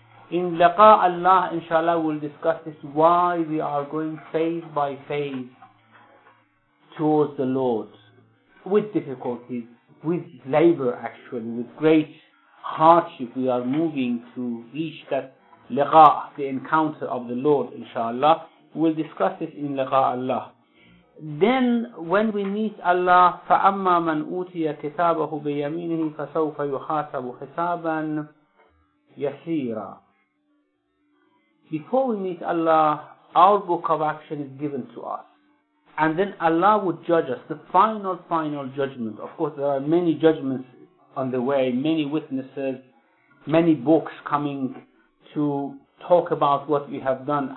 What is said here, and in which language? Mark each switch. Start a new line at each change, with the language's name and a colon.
English: In Laqa Allah, inshallah, we'll discuss this, why we are going phase by phase towards the Lord, with difficulties, with labor actually, with great hardship, we are moving to reach that Laqa, the encounter of the Lord, inshallah. We'll discuss this in Laqa Allah. Then, when we meet Allah,
Arabic: فَأَمَّا مَنْ أُوتِيَ كِتَابَهُ بِيَمِينِهِ فَسَوْفَ يُحَاسَبُ حِسَابًا يَسِيرًا.
English: Before we meet Allah, our book of action is given to us. And then Allah would judge us, the final judgment. Of course, there are many judgments on the way, many witnesses, many books coming to talk about what we have done.